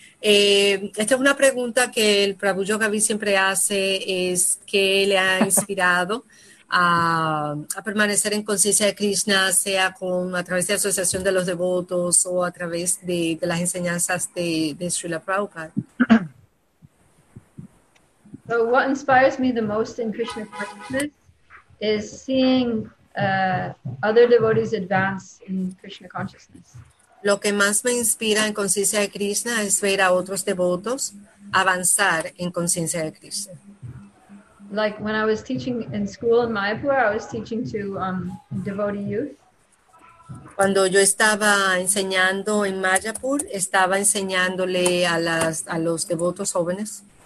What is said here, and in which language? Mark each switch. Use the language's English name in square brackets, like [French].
[Spanish] Esta es una pregunta que el Prabhu Yogavi siempre hace, es que le ha inspirado a permanecer en conciencia de Krishna, sea a través de la Asociación de los Devotos o a través de las enseñanzas de Srila Prabhupada. [English] So what inspires me the most in Krishna consciousness is seeing other devotees advance in Krishna consciousness. [Spanish] Lo que más me inspira en conciencia de Krishna es ver a otros devotos avanzar en conciencia de Krishna. [English] Like when I was teaching in school in Mayapur, I was teaching to devotee youth. [Spanish] Cuando yo estaba enseñando en Mayapur, estaba enseñándole a los devotos jóvenes.